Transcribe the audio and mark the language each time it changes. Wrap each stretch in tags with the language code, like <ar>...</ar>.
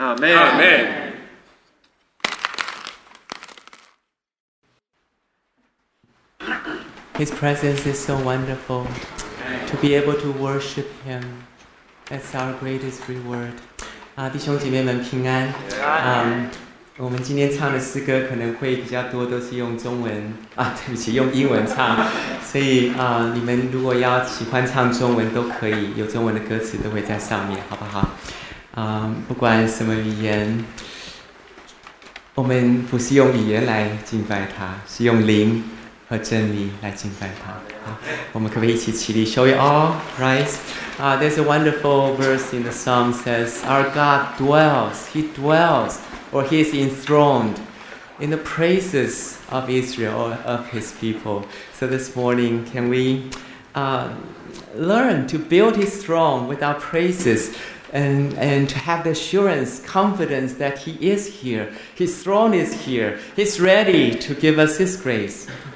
<en>Amen. Amen. Amen. His presence is so wonderful. Amen. To be able to worship him, that's our greatest reward.</en> <zh>弟兄姐妹们平安。我们今天唱的诗歌可能会比较多都是用中文啊，对不起，用英文唱，所以你们如果要喜欢唱中文都可以，有中文的歌词都会在上面，好不好？不管什么语言，我们不是用语言来敬拜他，是用灵和真理来敬拜他。我们可不可以一起起立 ？</zh> <en>Shall we all rise? There's a wonderful verse in the psalm says, "Our God dwells; He dwells, or He is enthroned in the praises of Israel, or of His people." So this morning, can we learn to build His throne with our praises, and to have the assurance, confidence that He is here, His throne is here, He's ready to give us His grace.</en>